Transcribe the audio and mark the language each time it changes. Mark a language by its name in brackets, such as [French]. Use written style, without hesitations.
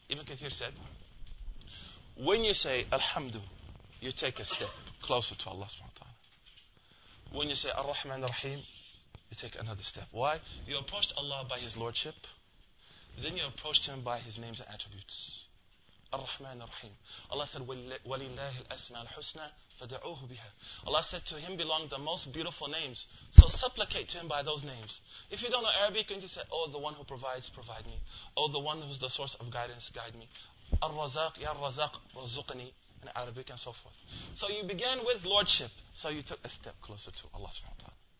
[English] Ibn Kathir said, when you say Alhamdu, you take a step closer to Allah subhanahu wa ta'ala. When you say Ar-Rahman Ar-Rahim, you take another step. Why? You approached Allah by His lordship, then you approached Him by His names and attributes. Ar-Rahman Ar-Rahim. Allah said, [Arabic] وَلِلَّهِ الْأَسْمَى الْحُسْنَى فَدَعُوهُ بِهَا. [English] Allah said, to Him belong the most beautiful names. So supplicate to Him by those names. If you don't know Arabic, you can say, oh, the one who provides, provide me. Oh, the one who's the source of guidance, guide me. Ar-Razaq, Ya Ar-Razaq, Razuqni, in Arabic and so forth. So you began with lordship. So you took a step closer to Allah subhanahu wa ta'ala.